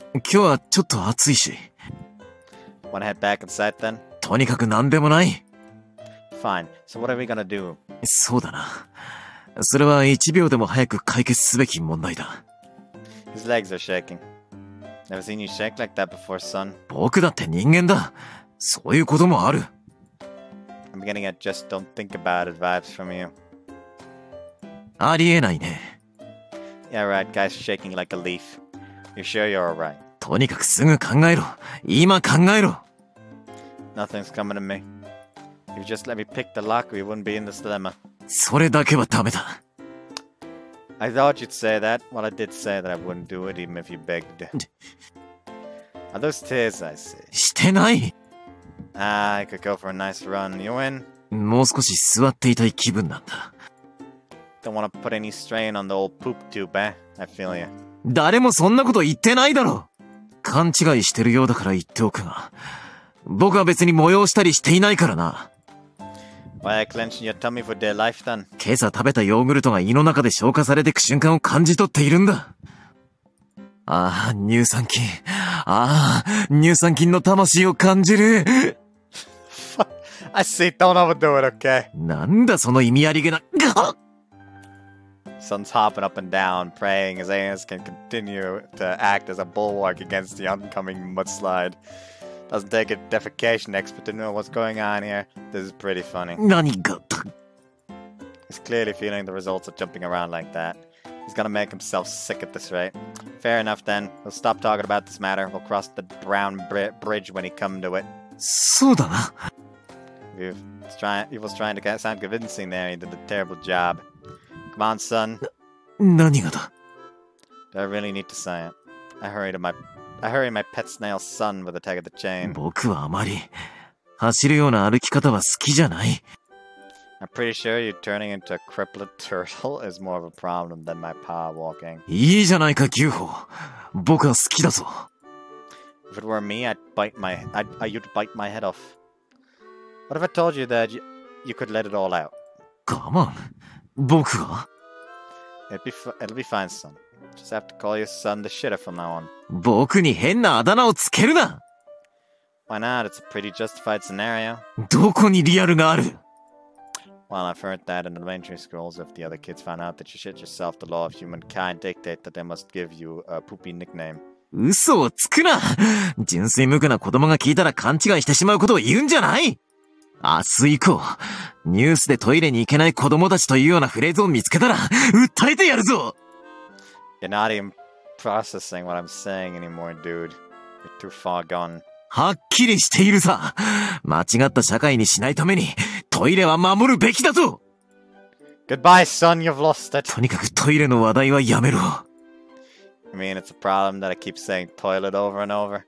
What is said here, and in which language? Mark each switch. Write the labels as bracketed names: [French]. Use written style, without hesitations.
[Japanese] 今日はちょっと暑いし。 [English] Wanna head back inside then? [Japanese] とにかく何でもない。 [English] Fine. So what are we gonna do? [Japanese] そうだな。それは一秒でも早く解決すべき問題だ。 [English] His legs are shaking. Never seen you shake like that before, son. [Japanese] 僕だって人間だ。そういうこともある。 [English] I'm beginning to just don't think about it vibes from you. [Japanese] ありえないね。 [English] Yeah, right. Guy's shaking like a leaf. You sure you're alright? [Japanese] とにかくすぐ考えろ。今考えろ。 [English] Nothing's coming to me. If you just let me pick the lock, we wouldn't be in this dilemma. [Japanese] それだけはダメだ。 [English] I thought you'd say that. Well, I did say that I wouldn't do it even if you begged. Are those tears I see? [Japanese] してない。 [English] I could go for a nice run. You in? [Japanese] もう少し座っていたい気分なんだ。 [English] Don't want to put any strain on the old poop tube, eh? I feel ya. [Japanese] 誰もそんなこと言ってないだろ。勘違いしてるようだから言っておくが、僕は別に催したりしていないからな。 [English] Why are you clenching your tummy for dear life, then? [Japanese] 今朝食べたヨーグルトが胃の中で消化されていく瞬間を感じ取っているんだ。ああ、乳酸菌。ああ、乳酸菌の魂を感じる。 [English] I see, don't overdo it, okay? [Japanese] なんだその意味ありげな。 [English] Sun's hopping up and down, praying his hands can continue to act as a bulwark against the oncoming mudslide. Doesn't take a defecation expert to know what's going on here. This is pretty funny. [Japanese] 何が? [English] He's clearly feeling the results of jumping around like that. He's gonna make himself sick at this rate. Fair enough then, we'll stop talking about this matter. We'll cross the brown bridge when he come to it. [Japanese] そうだな。 [English] He was trying to sound convincing there. He did a terrible job. Come on, son. [Japanese] 何がだ? [English] Do I really need to say it? I hurry my pet snail son with a tag of the chain. [Japanese] 僕はあまり走るような歩き方は好きじゃない。 [English] I'm pretty sure you turning into a crippled turtle is more of a problem than my power walking. [Japanese] いいじゃないか、牛歩。僕は好きだぞ。 [English] If it were me, you'd bite my head off. What if I told you that you could let it all out? Come on, [Japanese] 僕は? [English] It'll be fine, son. Just have to call your son the shitter from now on. [Japanese] 僕に変なあだ名をつけるな! [English] Why not? It's a pretty justified scenario. [Japanese] どこにリアルがある? [English] Well, I've heard that in elementary schools, if the other kids find out that you shit yourself, the law of humankind dictate that they must give you a poopy nickname. [Japanese] 嘘をつくな! 純粋無垢な子供が聞いたら勘違いしてしまうことを言うんじゃない? 明日以降、ニュースでトイレに行けない子供たちというようなフレーズを見つけたら、訴えてやるぞ! [English] You're not even processing what I'm saying anymore, dude. You're too far gone. [Japanese] はっきりしているさ。間違った社会にしないために、トイレは守るべきだぞ! [English] Goodbye, son, you've lost it. [Japanese] とにかくトイレの話題はやめろ。 [English] I mean, it's a problem that I keep saying toilet over and over.